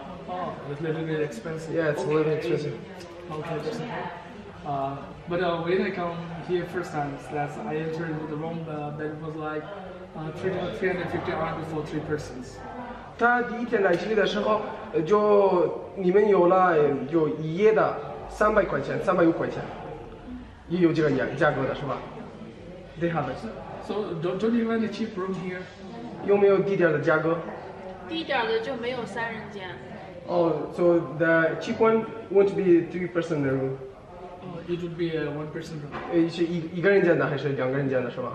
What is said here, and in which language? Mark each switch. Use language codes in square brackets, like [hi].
[en] Oh, it's a little bit expensive. Yeah, it's a little bit expensive. Okay, that's okay. But when I come here first time, that's, I entered the room, that was like 350 RMB for three persons. [zh] 他第一天来这里的时候，就你们有了有一夜的300块钱，350块钱，也有这个价格的是吧 ？ [en] They have it. So don't you have any cheap room here? [zh] 有没有低点的价格？低点的就没有三人间。 [en] Oh, so the cheap one won't be three-person room. It would be one-person room. [zh] 是一个人间的还是两个人间的，是吧？